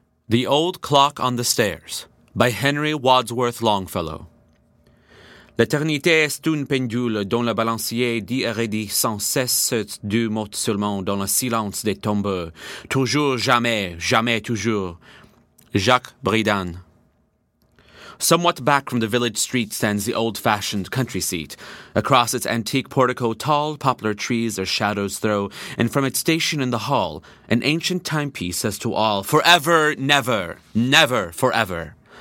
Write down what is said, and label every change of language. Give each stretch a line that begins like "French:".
English: The Old Clock on the Stairs by Henry Wadsworth Longfellow.
French: L'éternité est une pendule dont le balancier dit et redit sans cesse du mot seulement dans le silence des tombeaux. Toujours, jamais, jamais, toujours. Jacques Bridan.
English: Somewhat back from the village street stands the old-fashioned country seat. Across its antique portico, tall poplar trees their shadows throw, and from its station in the hall, an ancient timepiece says to all, "Forever, never, never forever."